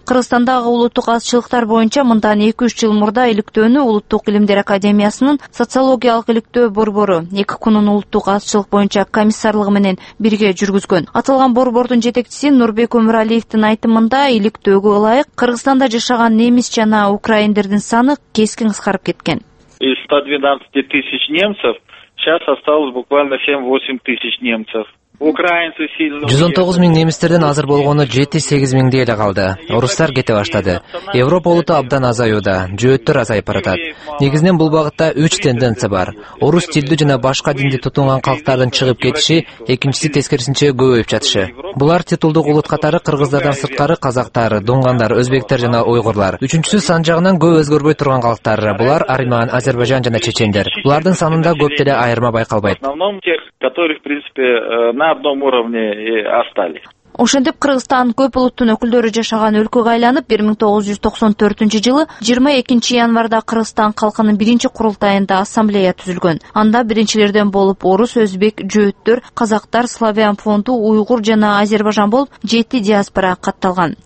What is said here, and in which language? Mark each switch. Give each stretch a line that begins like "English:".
Kyrgyz: Кыргызстандагы улуттук азчылыктар боюнча мындан 2-3 жыл мурда иликтөөнү Улуттук Илимдер Академиясынын социологиялык иликтөө борбору Эки Кунун улуттук азчылык боюнча комиссарлыгы менен бирге жүргүзгөн. Аталган борбордун жетекчиси Нурбек Өмүралиевдин айтымында иликтөөгө ылайык Кыргызстанда жашаган немис жана украиндердин саны кескин кыскарып кеткен.
Russian: 112,000 немцев сейчас осталось буквально 7-8,000 немцев.
Kyrgyz: 119,000 немистерден азыр болгону 7-8,000 эле калды. Орустар кете баштады. Европа улуту абдан азаюуда, жөөттөр азайып баратат. Негизинен бул багытта 3 тенденция бар. Орус тилдүү жана башка динди тутунган калктардын чыгып кетиши, экинчиси тескерисинче көбөйүп жатышы. Булар титулдук улут катары кыргыздардан сырткары казактар, дунгандар, өзбектер жана уйгурлар. Үчүнчүсү сан жагынан көп өзгөрбөй турган калктар. Булар арман, Азербайжан жана чечендер. Булардын санында көп деле айырма байкалбайт.
Russian: Которых, в принципе, на одном уровне и остались.
Kyrgyz: Ошондоп Кыргызстан көп улуттун өкүлдөрү жашаган өлкөгө айланып, 1994 жылы 22 январда Кыргызстан калкынын биринчи курултайында ассамблея түзүлгөн. Анда биринчилерден болуп орус, өзбек, жөөттөр, казактар, славян фонду, уйгур жана Азербайжан болуп 7 диаспора катталган.